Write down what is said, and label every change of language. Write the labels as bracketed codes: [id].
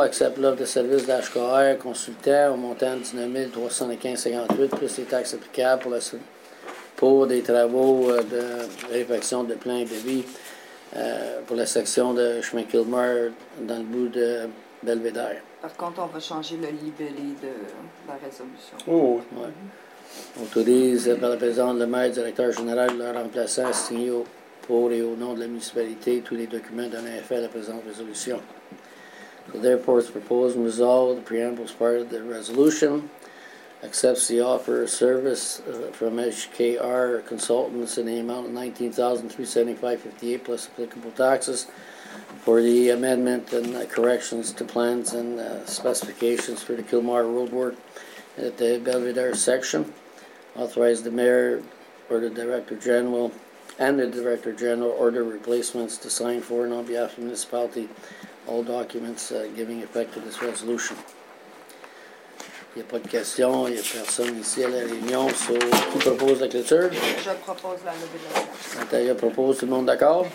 [fr] Accepte l'offre de service d'HKR consultant au montant de 19 315,58 plus les taxes applicables pour, pour des travaux de réfection de plein et de vie pour la section de chemin Kilmer dans le bout de Belvédère. Par contre, on va changer le libellé de la résolution. Oh, oui. Mm-hmm. Ouais. Autorise par la présidente le maire, directeur général, le remplaçant, signé pour et au nom de la municipalité tous les documents donnant effet à la présente résolution. [en] So therefore, it's proposed and resolved, the preamble is part of the resolution, accepts the offer of service from HKR consultants in the amount of $19,375.58 plus applicable taxes for the amendment and corrections to plans and specifications for the Kilmar roadwork at the Belvedere section. Authorize the mayor or the director general and the director general order replacements to sign for and on behalf of the municipality all documents giving effect to this resolution. [fr] Il n'y a pas de question, il n'y a personne ici à la réunion, so qui propose la clôture? Je propose la levée de la clôture. Je propose, tout le monde d'accord?